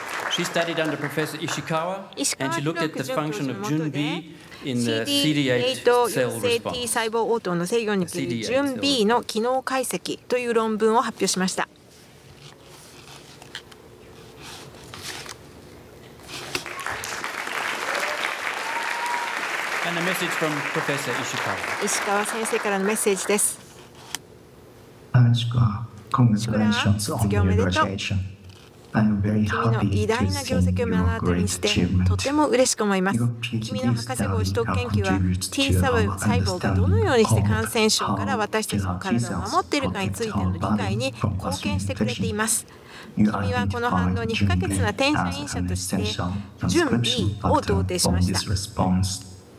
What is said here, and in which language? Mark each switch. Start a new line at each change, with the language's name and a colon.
English: She studied under Professor Ishikawa, and she looked at the function of JunB in the CD8 cell response.
Japanese: T 細胞応答の制御による JunB の機能解析という論文を発表しました。
English: And a message from Professor Ishikawa.
Japanese: 石川先生からのメッセージです。
English: Ishikawa, congratulations on your graduation. I'm very happy to see your great achievement.
Japanese: とても嬉しく思います。君の博士号取得研究は T 細胞がどのようにして感染症から私たちの体を守っているかについての理解に貢献してくれています。君はこの反応に不可欠な転写因子として準 B を同定しました。